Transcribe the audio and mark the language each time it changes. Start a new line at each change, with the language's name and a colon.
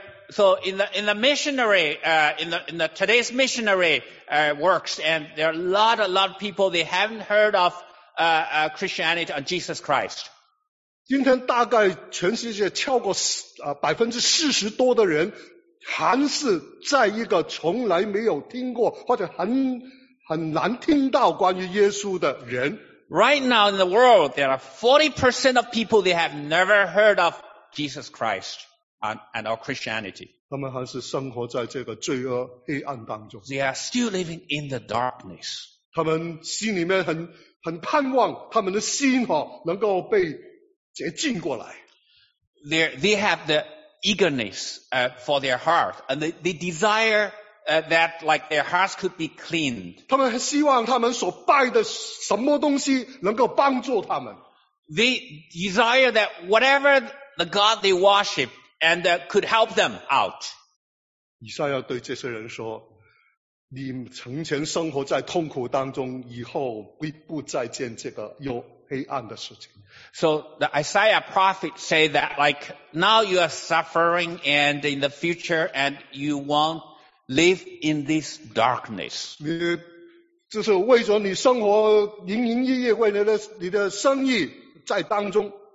English: So in the missionary, in the today's missionary, works, and there are a lot of people, they haven't heard of, Christianity or Jesus Christ.
Chinese: 今天大概全世界超过40%多的人还是在一个从来没有听过或者很难听到关于耶稣的人。
English: Right now in the world, there are 40% of people they have never heard of Jesus Christ and our Christianity.
Chinese: 他们还是生活在这个罪恶黑暗当中。
English: They are still living in the darkness.
Chinese: 他们心里面很盼望他们的心、哦、能够被洁净过来。
English: They have the eagerness, for their heart, and they desire, that, like, their hearts could be cleaned.
Chinese: 他们希望他们所拜的什么东西能够帮助他们。
English: They desire that whatever the God they worship and, could help them out.
Chinese: 以赛亚对这些人说，你从前生活在痛苦当中，以后不再见这个忧。黑暗的事情。
English: So the Isaiah prophet say that like now you are suffering and in the future and you won't live in this darkness.
Chinese: 你就是为着你生活营营业业为你的生意在当中。